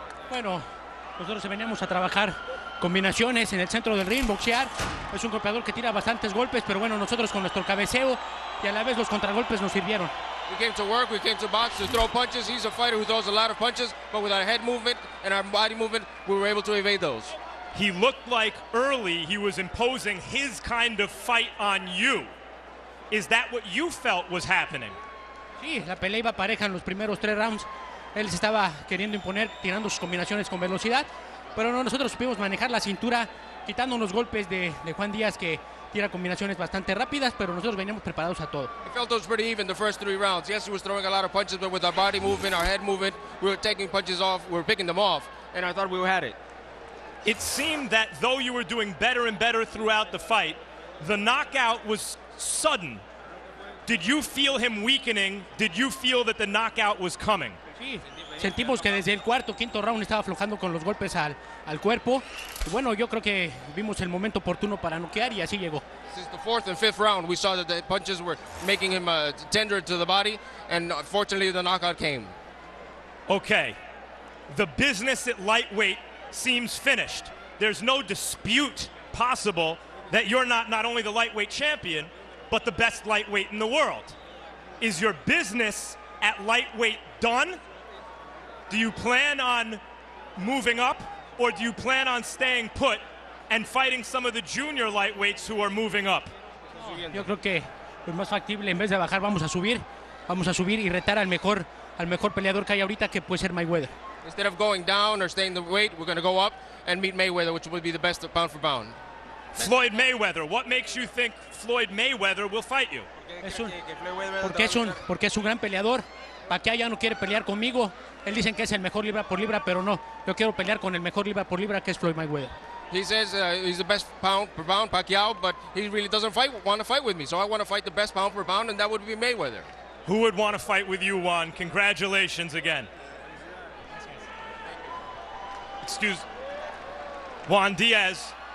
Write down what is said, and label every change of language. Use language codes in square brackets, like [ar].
[es] Bueno, nosotros veníamos a trabajar combinaciones en el centro del ring, boxear. Es un golpeador que tira bastantes golpes, pero bueno, nosotros con nuestro cabeceo y a la vez los contragolpes nos sirvieron. [en] We came to work, we came to box to throw punches. He's a fighter who throws a lot of punches, but with our head movement and our body movement, we were able to evade those. He looked like early he was imposing his kind of fight on you. Is that what you felt was happening? [es] Sí, la pelea iba pareja en los primeros tres rounds. Él se estaba queriendo imponer tirando sus combinaciones con velocidad. Pero no, nosotros supimos manejar la cintura, quitando unos golpes de Juan Díaz, que tira combinaciones bastante rápidas, pero nosotros veníamos preparados a todo. [en] It felt pretty even the first three rounds. Yes, he was throwing a lot of punches, but with our body moving, our head moving, we were taking punches off, we were picking them off, and I thought we had it. It seemed that though you were doing better and better throughout the fight, The knockout was sudden. Did you feel him weakening? Did you feel that the knockout was coming? [es] Sentimos que desde el cuarto, quinto round estaba aflojando con los golpes al cuerpo. Bueno, yo creo que vimos el momento oportuno para noquear y así llegó. [en] Since the fourth and fifth round, we saw that the punches were making him tender to the body, and fortunately the knockout came. Okay, the business at lightweight seems finished. There's no dispute possible that you're not only the lightweight champion, but the best lightweight in the world. Is your business at lightweight done? Do you plan on moving up, or do you plan on staying put and fighting some of the junior lightweights who are moving up? [es] Yo creo que es más factible, en vez de bajar, vamos a subir y retar al mejor peleador que hay ahorita, que puede ser Mayweather. [en] Instead of going down or staying the weight, we're going to go up and meet Mayweather, which would be the best pound for pound. Floyd Mayweather, what makes you think Floyd Mayweather will fight you? [es] Porque es un gran peleador. Pacquiao ya no quiere pelear conmigo. Él dicen que es el mejor libra por libra, pero no. Yo quiero pelear con el mejor libra por libra, que es Floyd Mayweather. [en] He says he's the best pound per pound, Pacquiao, but he really doesn't want to fight with me. So I want to fight the best pound per pound, and that would be Mayweather. Who would want to fight with you, Juan? Congratulations again. Excuse Juan Diaz.